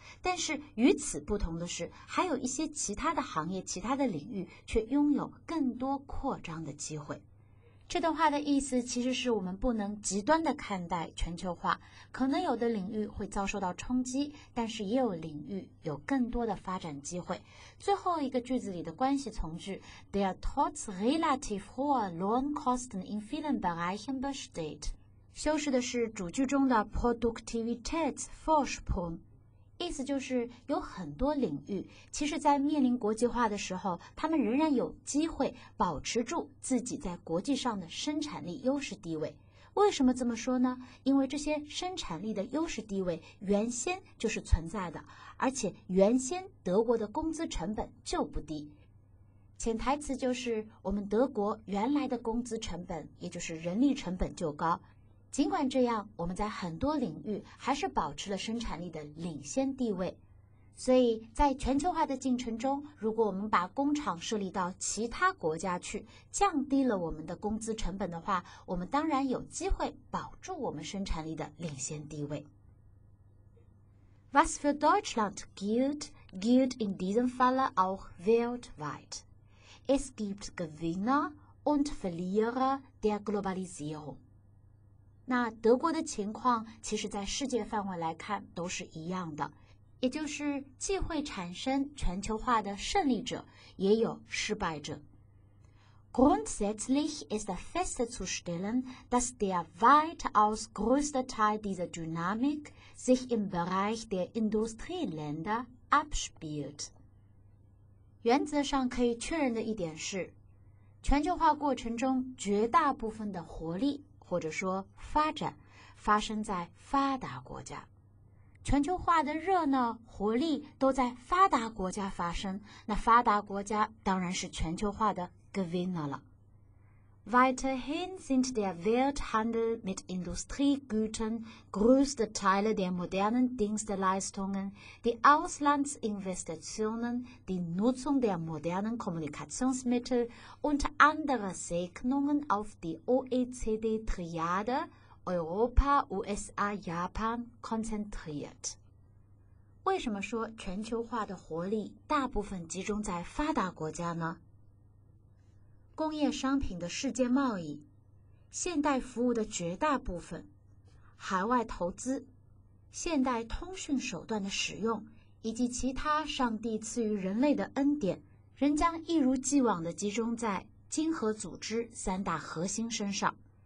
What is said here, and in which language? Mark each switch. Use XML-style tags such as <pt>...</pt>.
<zh>但是与此不同的是，还有一些其他的行业，其他的领域却拥有更多扩张的机会。这段话的意思其实是我们不能极端地看待全球化，可能有的领域会遭受到冲击，但是也有领域有更多的发展机会。最后一个句子里的关系从句</zh> <de>Der trotz relativ hoher Lohnkosten in vielen Bereichen besteht</de> <zh>修饰的是主句中的 Produktivitätsvorsprung，意思就是有很多领域其实在面临国际化的时候，他们仍然有机会保持住自己在国际上的生产力优势地位。为什么这么说呢？因为这些生产力的优势地位原先就是存在的，而且原先德国的工资成本就不低。潜台词就是我们德国原来的工资成本，也就是人力成本就高，尽管这样，我们在很多领域还是保持了生产力的领先地位。所以在全球化的进程中，如果我们把工厂设立到其他国家去，降低了我们的工资成本的话，我们当然有机会保住我们生产力的领先地位。</zh> <de>Was für Deutschland gilt, gilt in diesem Falle auch weltweit. Es gibt Gewinner und Verlierer der Globalisierung.</de> <zh>那德国的情况其实在世界范围来看都是一样的，也就是既会产生全球化的胜利者，也有失败者。</zh> <de>Grundsätzlich ist festzustellen, dass der weitaus größte Teil dieser Dynamik sich im Bereich der Industrieländer abspielt.</de> <zh>原则上可以确认的一点是，全球化过程中绝大部分的活力或者说发展发生在发达国家，全球化的热闹活力都在发达国家发生，那发达国家当然是全球化的 Gewinner 了。</zh> <de>Weiterhin sind der Welthandel mit Industriegütern größte Teile der modernen Dienstleistungen, die Auslandsinvestitionen, die Nutzung der modernen Kommunikationsmittel und andere Segnungen auf die OECD-Triade Europa, USA, Japan konzentriert.</de> <zh>为什么说全球化的活力大部分集中在发达国家呢？工业商品的世界贸易，现代服务的绝大部分，海外投资，现代通讯手段的使用，以及其他上帝赐予人类的恩典，仍将一如既往地集中在经合组织三大核心身上。</zh>